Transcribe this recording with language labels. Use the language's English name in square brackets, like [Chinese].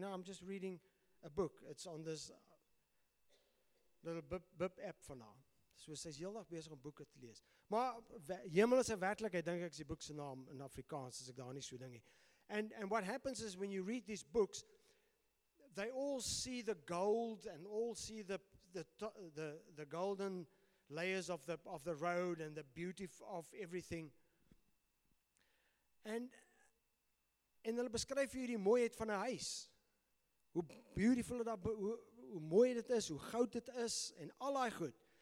[English] No, I'm just reading a book. It's on this little bip app [Afrikaans] van haar. So sy is heeldag besig om boeke te lees. Maar Hemelse werklikheid, dink ek is die boek se naam in Afrikaans, as ek daar nie so ding nie. [English] And what happens is when you read these books, they all see the gold and all see the golden layers of the road and the beauty of everything. [Afrikaans] En hulle beskryf vir jou die mooiheid van 'n huis. Hoe beautiful dit is, hoe mooi dit is, hoe goud dit is en al daai goed.